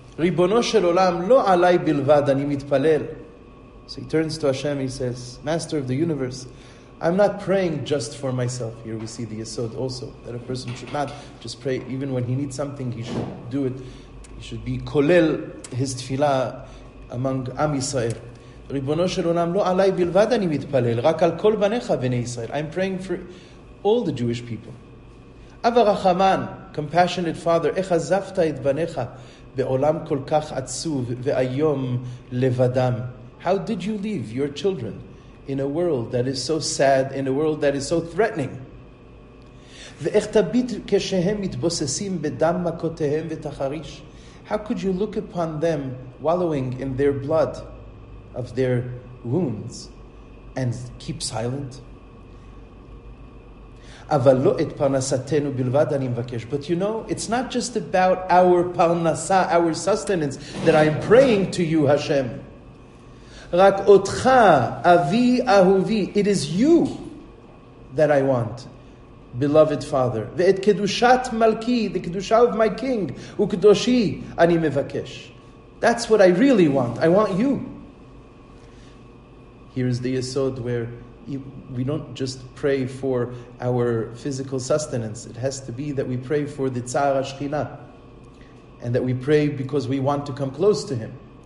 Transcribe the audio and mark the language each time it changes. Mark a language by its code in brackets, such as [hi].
[he] ריבונו של עולם, לא עליי בלבד, אני מתפלל. [en] So he turns to Hashem, he says, Master of the universe, I'm not praying just for myself. Here we see the yesod also, that a person should not just pray, even when he needs something, he should do it. He should be kolel his tefillah among Am Yisrael. [he] ריבונו של עולם, לא עליי בלבד אני מתפלל, רק על כל בניך בני ישראל. [en] I'm praying for all the Jewish people. [he] אבא רחמן, [en] compassionate father, [he] איך עזבת את בניך בעולם כל כך עצוב ואיום לבדם? [en] How did you leave your children in a world that is so sad, in a world that is so threatening? [he] ואיך תביט כשהם מתבוססים בדם מכותיהם ותחריש? [en] How could you look upon them wallowing in their blood of their wounds and keep silent? [he] אבל לא את פרנסתנו בלבד אני מבקש. [en] But you know, it's not just about our parnasa, our sustenance, that I am praying to you, Hashem. [he] רק אותך, אבי אהובי, [en] it is you that I want, beloved Father. [he] ואת קדושת מלכי, [en] the קדושה of my king, [he] וקדושי אני מבקש. [en] That's what I really want. I want you. Here is the yesod where we don't just pray for our physical sustenance. It has to be that we pray for the Tzar HaShchina. And that we pray because we want to come close to Him.